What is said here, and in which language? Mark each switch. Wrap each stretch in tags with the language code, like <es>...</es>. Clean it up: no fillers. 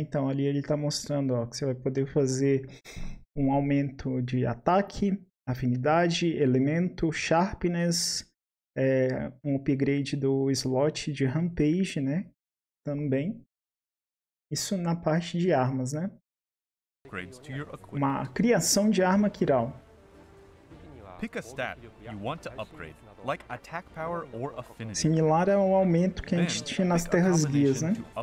<pt>Então ali ele está mostrando, ó, que você vai poder fazer um aumento de ataque, afinidade, elemento, sharpness, um upgrade do slot de rampage, né? Também. Isso na parte de armas, né? Uma criação de arma Kiral.</pt> <en>Pick a stat you want to upgrade. Like attack power or affinity.</en> <pt>Similar ao aumento que a gente tinha nas Terras Guias, né?</pt>